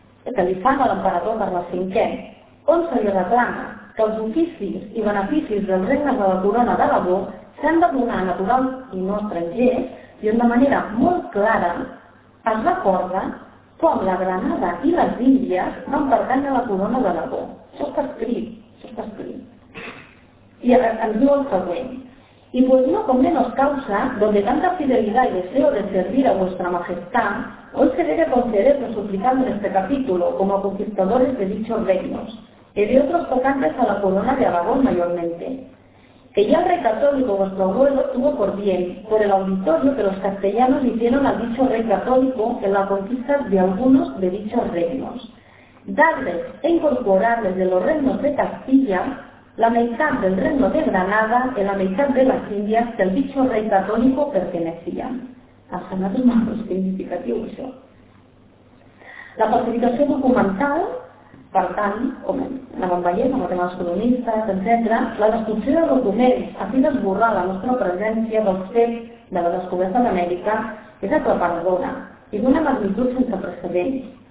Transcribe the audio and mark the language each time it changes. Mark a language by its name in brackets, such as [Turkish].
[Catalan] que li fan a l'emperador Carles V, on se li reclama que els oficis i beneficis dels regnes de la corona d'Aragó s'han de donar a naturals i no estrangers i on de manera molt clara es recorda com la Granada i les Índies van pertany a la corona d'Aragó. Això està escrit. I ens diu el següent. [Spanish] Y pues no con menos causa, donde tanta fidelidad y deseo de servir a vuestra majestad, hoy se debe concedernos suplicando en este capítulo como conquistadores de dichos reinos, y de otros tocantes a la corona de Aragón mayormente. Que ya el rey católico, vuestro abuelo, tuvo por bien, por el auditorio que los castellanos hicieron al dicho rey católico en la conquista de algunos de dichos reinos. Darles e incorporarles de los reinos de Castilla, la mitad del reino de Granada y la mitad de las Indias que al dicho rey católico pertenecían. Hasta nada más significativo eso. [Catalan] La falsificación documental, per tant, com anàvem veient amb els colonistes, etc., la destrucció de documents a fi d'esborrar la nostra presència del fet de la descoberta d'Amèrica és aclaparadora i d'una magnitud sense precedents.